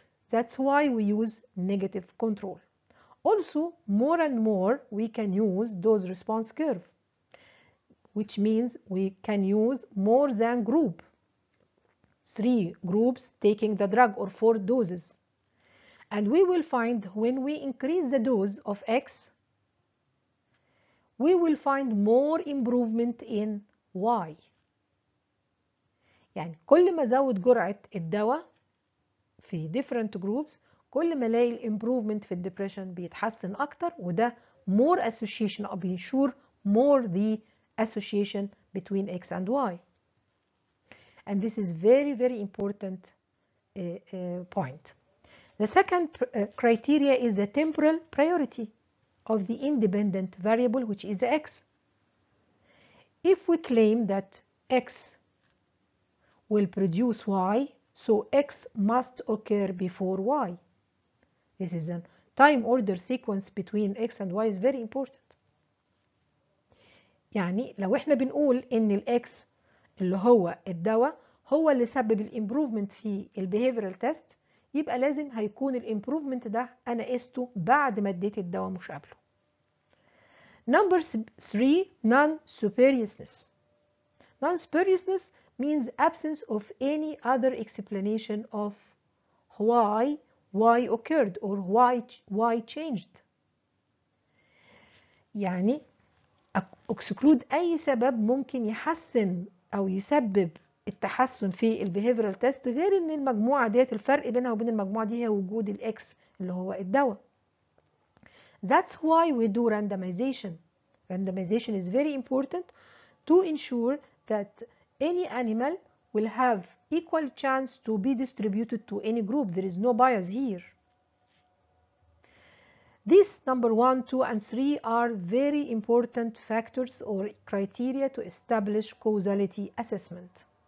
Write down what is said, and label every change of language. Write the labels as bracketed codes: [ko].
[en] That's why we use negative control. Also, more and more, we can use dose response curve, which means we can use more than group, 3 groups taking the drug or 4 doses. And we will find when we increase the dose of X, we will find more improvement in Y. [ar] يعني كل ما زود جرعة الدواء في [en] different groups [ar] كل ما لاقي improvement في الdepression بيتحسن أكتر وده [en] more association [ar] أو بينشور [en] more the association between X and Y. And this is very very important point. The second criteria is the temporal priority of the independent variable, which is X. If we claim that X will produce Y, so X must occur before Y. This is a time order sequence between X and Y is very important. [ar] يعني لو احنا بنقول ان الX اللي هو الدواء هو اللي سبب الimprovement في البيهيفيرال تيست يبقى لازم هيكون الimprovement ده انا قسته بعد ما اديت الدواء مش قبله. [en] Number 3, non-spuriousness. Non-spuriousness means absence of any other explanation of why occurred or why changed. [ar] يعني exclude اي سبب ممكن يحسن او يسبب التحسن في البيهيفيرال تيست غير ان المجموعه ديت الفرق بينها وبين المجموعه دي هي وجود الاكس اللي هو الدواء. [en] That's why we do randomization. Randomization is very important to ensure that any animal will have equal chance to be distributed to any group. There is no bias here. These number 1, 2, and 3 are very important factors or criteria to establish causality assessment.